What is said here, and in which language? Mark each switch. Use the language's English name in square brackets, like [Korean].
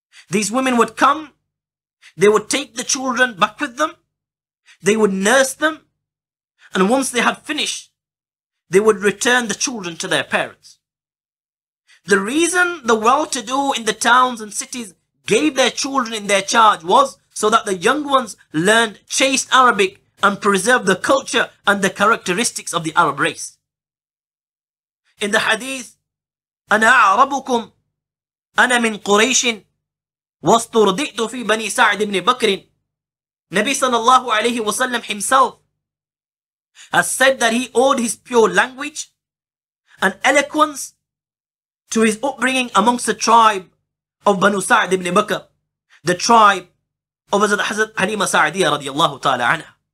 [English] These women would come, they would take the children back with them, they would nurse them, and once they had finished, they would return the children to their parents. The reason the well-to-do in the towns and cities gave their children in their charge was so that the young ones learned chaste Arabic and preserved the culture and the characteristics of the Arab race. In the hadith, [Arabic] أنا أعربكم أنا من قريش واسترضئت في بني سعد بن بكر. [English] Nabi sallallahu alayhi wa sallam himself has said that he owed his pure language and eloquence to his upbringing amongst the tribe of Banu Sa'd ibn Bakr, the tribe of Hazrat Halima Sa'diya radiallahu ta'ala anha.